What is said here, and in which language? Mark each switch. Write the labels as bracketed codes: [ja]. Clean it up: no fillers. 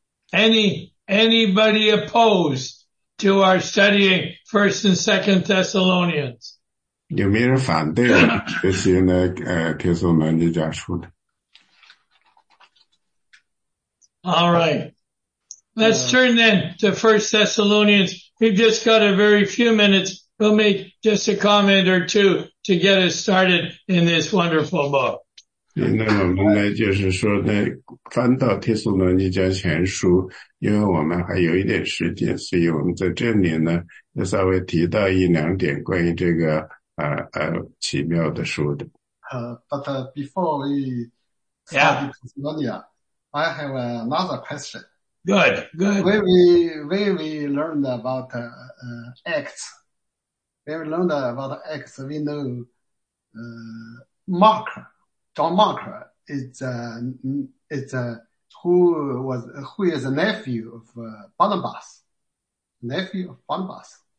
[en] Anybody opposed to our studying First and Second Thessalonians? [zh] 有没有人反对我们学习呢？听说门里讲述的。 [en] All right. Let's turn then to First Thessalonians. We've just got a very few minutes. We'll make just a comment or two to get us started in this wonderful book. [zh] 那我们呢就是说呢翻到提索罗尼迦前书，因为我们还有一点时间，所以我们在这里呢要稍微提到一两点关于这个奇妙的书的。 [en] But before we study Thessalonia, I have another question. Good, good. When we learned about Acts, when we learned about Acts, we know Mark, John Mark is a nephew of Barnabas, nephew of Barnabas.